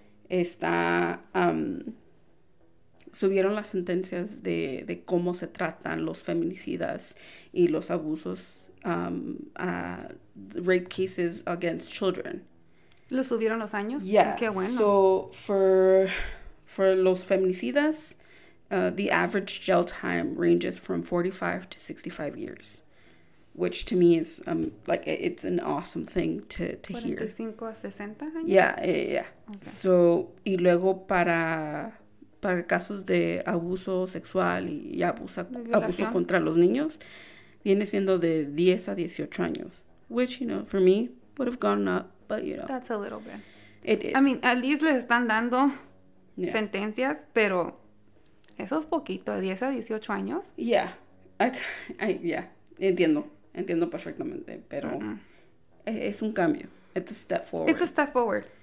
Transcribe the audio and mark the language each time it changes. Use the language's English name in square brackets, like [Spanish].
[Spanish] está subieron las sentencias de cómo se tratan los feminicidas y los abusos [English] rape cases against children. [Spanish] ¿Lo subieron los años? [English] Yeah. [Spanish] Qué bueno. [English] So for [Spanish] los feminicidas, [English] the average jail time ranges from 45 to 65 years, which to me is like it's an awesome thing to hear. [Spanish] 45 a 60 años. [English] Yeah. Okay. [Spanish] So y luego para casos de abuso sexual y abuso contra los niños, viene siendo de 10 a 18 años, [English] which, you know, for me, would have gone up, but, you know. That's a little bit. It is. I mean, at least [Spanish] les están dando sentencias, pero eso es poquito, 10 a 18 años. Yeah, entiendo perfectamente, pero es un cambio. [English] It's a step forward. It's a step forward.